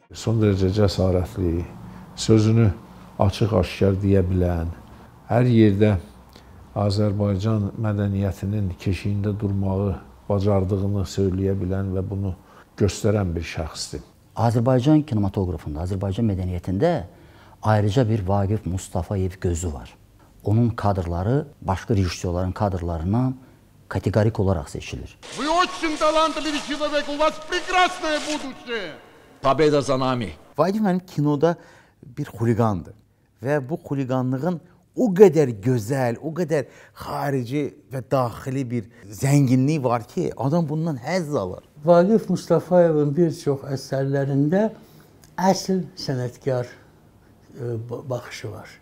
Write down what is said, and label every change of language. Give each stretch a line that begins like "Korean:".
Azerbaijani: Son dərəcə cəsarətli, sözünü açıq-aşkar deyə bilən, hər yerdə Azərbaycan mədəniyyətinin keşiyində durmağı bacardığını söyləyə bilən və bunu göstərən bir şəxsdir. Azərbaycan kinematografında, Azərbaycan mədəniyyətində ayrıca bir Vagif Mustafayev gözü var. Onun kadrları başqa rejissorların kadrlarından kateqorik olaraq seçilir.
Russian: Вы очень талантливый человек, у вас прекрасное будущее. Победа за нами.
Azerbaijani: Vagif mənim kinoda bir xuliqandır. Və bu xuliqanlığın o qədər gözəl, o qədər xarici və daxili bir zənginliyi var ki, adam bundan həzz alır. Vagif Mustafayevin bir çox əsərlərində əsl sənətkar baxışı var.